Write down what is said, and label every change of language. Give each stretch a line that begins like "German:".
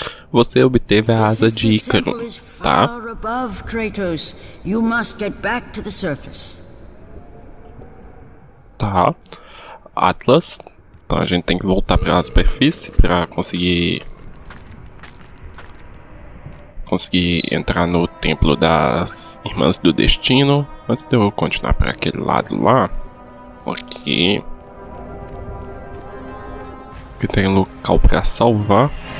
Portuguese: Você obteve a asa de Ícaro, tá?
English: Above Kratos, you must get back to the surface.
Portuguese: Tá. Atlas. Então a gente tem que voltar para a superfície para conseguir entrar no templo das Irmãs do Destino. Antes de eu continuar para aquele lado lá, aqui, que tem um local para salvar.